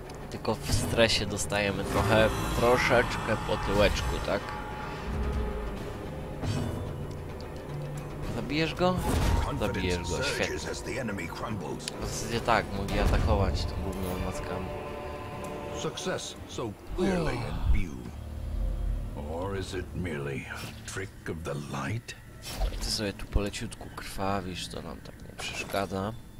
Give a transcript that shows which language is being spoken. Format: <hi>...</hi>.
<pl>Tylko w stresie dostajemy trochę, troszeczkę po tyłeczku, tak? Zabijesz go? Zabijesz go, świetnie. W zasadzie tak, mówi atakować tą główną macką.</pl> <en>Success so clearly in view. Or is it merely a trick of the light?</en> <pl>I ty sobie tu poleciutku krwawisz, to nam tak nie przeszkadza.</pl>